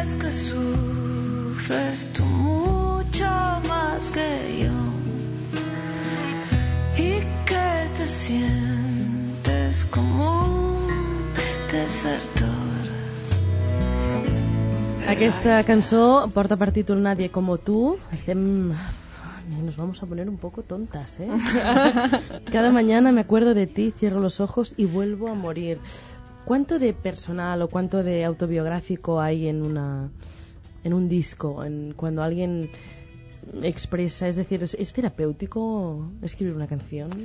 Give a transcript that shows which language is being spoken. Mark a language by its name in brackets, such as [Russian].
[Spanish] Sufres tú mucho más que yo y que te sientes como un desertor. [Catalan] Aquesta cançó porta per títol Nadie como tú. Estem... [Spanish] Nos vamos a poner un poco tontas, ¿eh? Cada mañana me acuerdo de ti, cierro los ojos y vuelvo a morir. ¿Cuánto de personal o cuánto de autobiográfico hay en una... en un disco, en cuando alguien expresa, es decir, ¿es terapéutico escribir una canción?